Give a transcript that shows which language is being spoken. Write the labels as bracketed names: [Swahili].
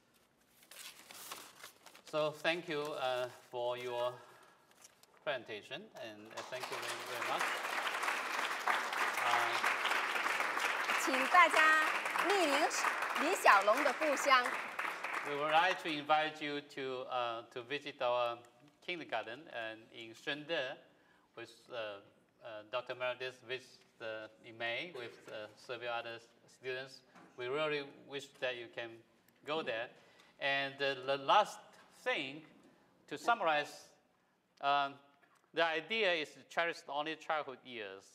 [Chinese] 差不多。 [English] So thank you for your presentation, and thank you very much. [Chinese] 请大家莅临李小龙的故乡。 [English] We would like to invite you to visit our kindergarten and in Shunde with Dr. Meredith visits in May with several other students. We really wish that you can go there. And the last thing, to summarize, the idea is to cherish the only childhood years.